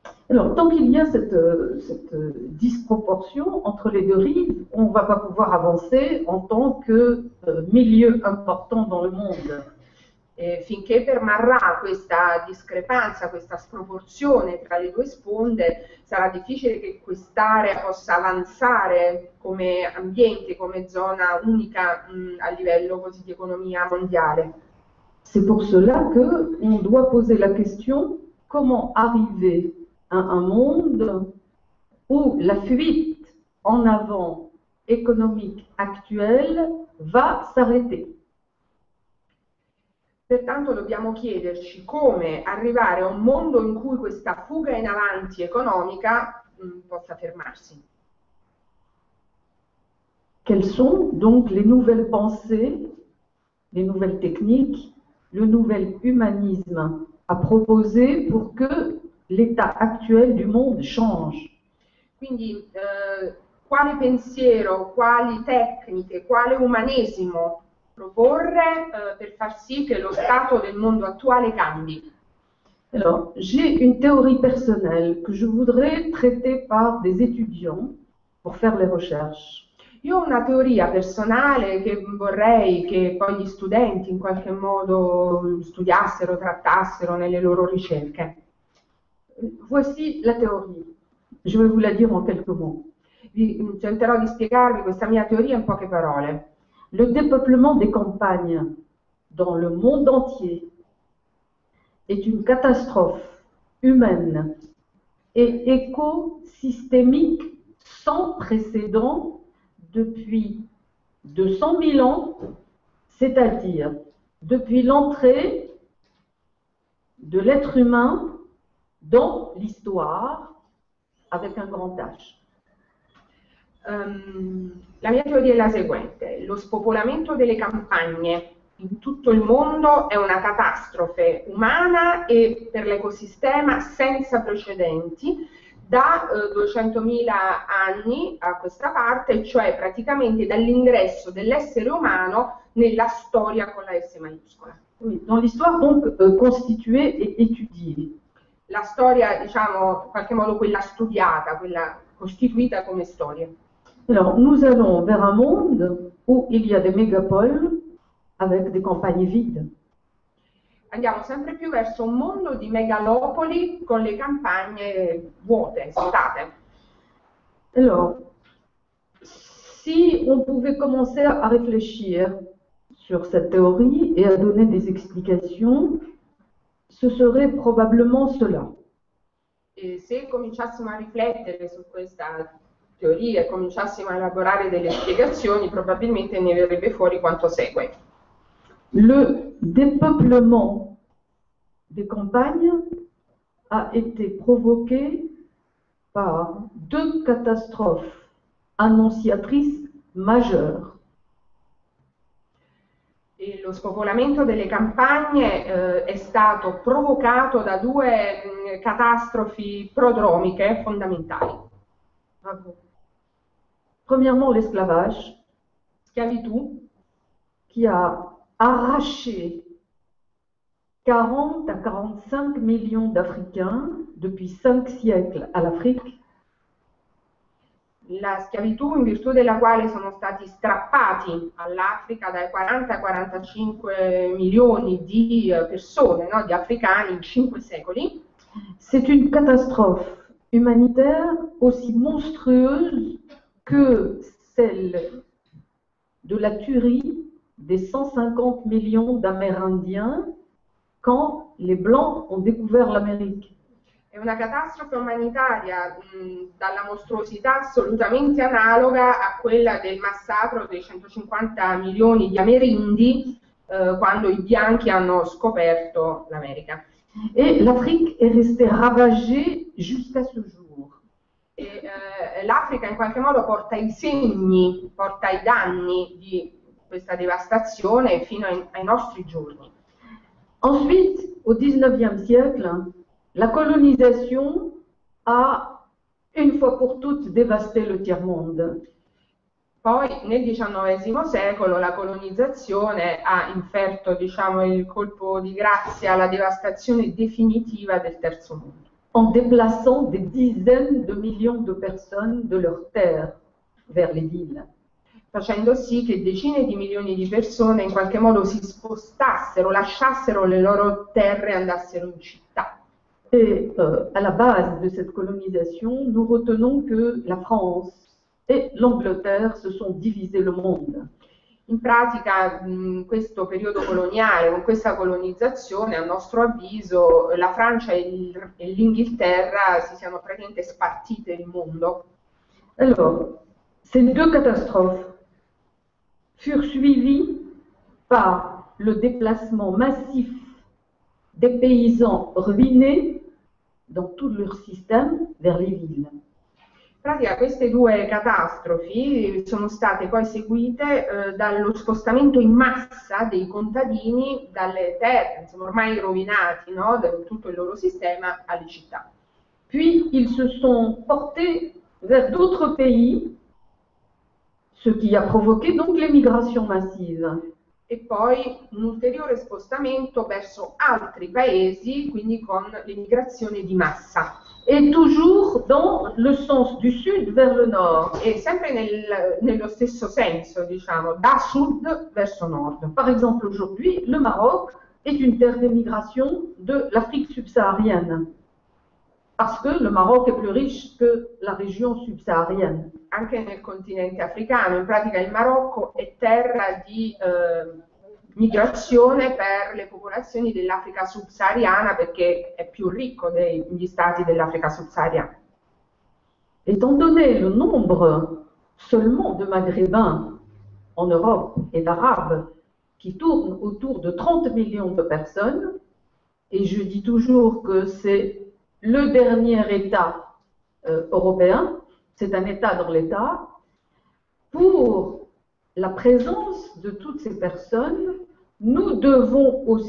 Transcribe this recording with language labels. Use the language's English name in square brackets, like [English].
[French] Alors, tant qu'il y a cette disproportion entre les deux rives, on ne va pas pouvoir avancer en tant que milieu important dans le monde. [Italian] finché permarrà questa discrepanza, questa sproporzione tra le due sponde, sarà difficile che quest'area possa avanzare come ambiente, come zona unica a livello così di economia mondiale. [French] C'est pour cela que on doit poser la question comment arriver à un monde où la fuite en avant économique actuelle va s'arrêter. [Italian] Pertanto dobbiamo chiederci come arrivare a un mondo in cui questa fuga in avanti economica possa fermarsi. [French] Quelles sont donc les nouvelles pensées, les nouvelles techniques, le nouvel humanisme a proposé pour que l'état actuel du monde change? [Italian] Quindi, quale pensiero, quali tecniche, quale umanesimo proporre per far sì che lo stato del mondo attuale cambi? [French] Alors, j'ai une théorie personnelle que je voudrais traiter par des étudiants pour faire les recherches. [Italian] Io ho una teoria personale che vorrei che poi gli studenti in qualche modo studiassero, trattassero nelle loro ricerche. [French] Voici la théorie. Je vais vous la dire en quelques mots. [Italian] Cercherò di spiegarvi questa mia teoria in poche parole. [French] Le dépeuplement des campagnes dans le monde entier est une catastrophe humaine et écosystémique sans précédent depuis 200 000 ans, c'est-à-dire depuis l'entrée de l'être humain dans l'histoire, avec un grand H. [Italian] La mia teoria è la seguente. Lo spopolamento delle campagne in tutto il mondo è una catastrofe umana e per l'ecosistema senza precedenti, da 200.000 anni a questa parte, cioè praticamente dall'ingresso dell'essere umano nella storia con la S maiuscola. [French] Dans l'histoire donc constituée et étudiée. [Italian] La storia, diciamo, in qualche modo quella studiata, quella costituita come storia. [French] Alors, nous allons vers un monde où il y a des mégapoles avec des campagnes vides. [Italian] Andiamo sempre più verso un mondo di megalopoli con le campagne vuote, svuotate. [French] Alors, si on pouvait commencer à réfléchir sur cette théorie et à donner des explications, ce serait probablement cela. [Italian] E se cominciassimo a riflettere su questa teoria e cominciassimo a elaborare delle spiegazioni, probabilmente ne verrebbe fuori quanto segue. [French] Le dépeuplement des campagnes a été provoqué par deux catastrophes annonciatrices majeures. [Italian] E lo spopolamento delle campagne è stato provocato da due catastrofi prodromiche fondamentali. Bravo. [French] Premièrement, l'esclavage, [Italian] schiavitù, [French] qui a arraché 40 à 45 millions d'Africains depuis 5 siècles à l'Afrique. [Italian] La schiavitù in virtù della quale sono stati strappati all'Africa dai 40 ai 45 milioni di persone, no, di africani in 5 secoli. [French] C'est une catastrophe humanitaire aussi monstrueuse que celle de la tuerie des 150 millions d'Amérindiens quand les Blancs ont découvert l'Amérique. [Italian] È una catastrofe umanitaria dalla mostruosità assolutamente analoga a quella del massacro dei 150 milioni di Amerindi quando i bianchi hanno scoperto l'America. [French] E l'Afrique est restée ravagée jusqu'à ce jour. [Italian] L'Africa in qualche modo porta i segni, porta i danni di questa devastazione fino ai nostri giorni. [French] Ensuite, au XIXe siècle, la colonisation a une fois pour toutes dévasté le tiers monde. [Italian] Poi, nel XIX secolo, la colonizzazione ha inferto, diciamo, il colpo di grazia alla devastazione definitiva del terzo mondo. [French] En déplaçant des dizaines de millions de personnes de leurs terres vers les villes. [Italian] facendo sì che decine di milioni di persone in qualche modo si spostassero, lasciassero le loro terre e andassero in città. [French] Et à la base de cette colonisation, nous retenons que la France et l'Angleterre se sont divisées le monde. [Italian] In pratica, in questo periodo coloniale, con questa colonizzazione, a nostro avviso, la Francia e l'Inghilterra si siano praticamente spartite il mondo. [French] Alors, ces deux catastrophes furent suivies par le déplacement massif des paysans ruinés dans tout leur système vers les villes. [Italian] Queste due catastrofi sono state poi seguite dallo spostamento in massa dei contadini dalle terre, insomma, ormai rovinati, no? Da tutto il loro sistema alle città. [French] Puis ils se sono portés vers d'autres pays, ce qui a provoqué donc l'émigration massive. [Italian] E poi un ulteriore spostamento verso altri paesi, quindi con l'immigrazione di massa. [French] Et toujours dans le sens du sud vers le nord. [Italian] E sempre nello stesso senso, diciamo, da sud verso nord. [French] Par exemple, aujourd'hui, le Maroc est une terre d'émigration de l'Afrique subsaharienne, parce que le Maroc est plus riche que la région subsaharienne. [Italian] Anche nel continente africano, in pratica il Marocco è terra di migrazione per le popolazioni dell'Africa subsahariana perché è più ricco degli stati dell'Africa subsahariana. [French] Étant donné le nombre seulement de Maghrébins en Europe et d'Arabes qui tourne autour de 30 millions de personnes, et je dis toujours que c'est le dernier État européen, c'est un État dans l'État, pour la présence de toutes ces personnes, nous devons